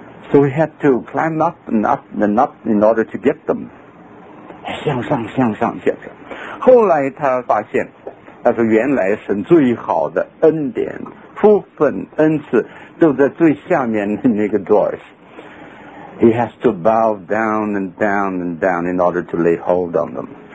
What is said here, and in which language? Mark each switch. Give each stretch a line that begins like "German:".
English: So he had to climb up and up and up in order to get them.
Chinese: 向上，向上，向上。后来他发现，他说原来神最好的恩典。部分恩赐都在最下面的那个 doors.
English: He has to bow down and down and down in order to lay hold on them.